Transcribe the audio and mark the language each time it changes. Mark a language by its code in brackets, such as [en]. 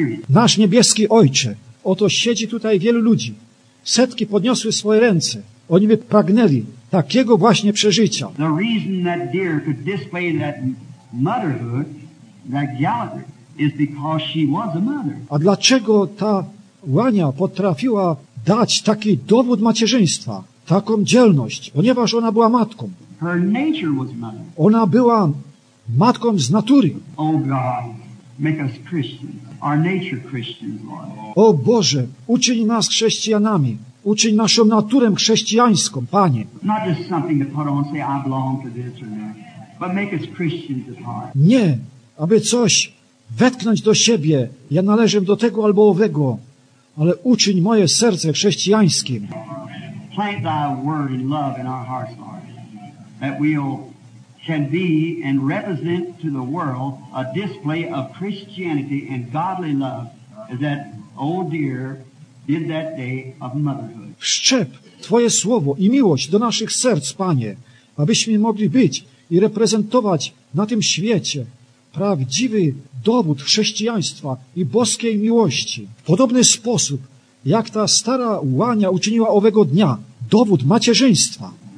[pl] Nasz niebieski Ojcze, oto siedzi tutaj wielu ludzi. Setki podniosły swoje ręce. Oni by pragnęli takiego właśnie przeżycia. [en] The reason that deer could display that motherhood, that gallantry, is because she was a mother. [pl] A dlaczego ta łania potrafiła dać taki dowód macierzyństwa, taką dzielność, ponieważ ona była matką. [en] Her nature was mother. [pl] Ona była matką z natury. [en] Oh God, make us Christians, our nature Christians, Lord. [pl] O Boże, uczyń nas chrześcijanami, uczyń naszą naturę chrześcijańską, Panie. [en] Not just something to put on and say I belong to this or that, but make us Christians at heart. [pl] Nie, aby coś wetknąć do siebie, ja należę do tego albo owego. Ale uczyń moje serce chrześcijańskim. [en] Plant thy word in love in our hearts, Lord, that we can be and represent to the world a display of Christianity and godly love as that old dear did that day of motherhood. [pl] Wszczep Twoje słowo i miłość do naszych serc, Panie, abyśmy mogli być i reprezentować na tym świecie prawdziwy dowód chrześcijaństwa i boskiej miłości. W podobny sposób, jak ta stara łania uczyniła owego dnia dowód macierzyństwa.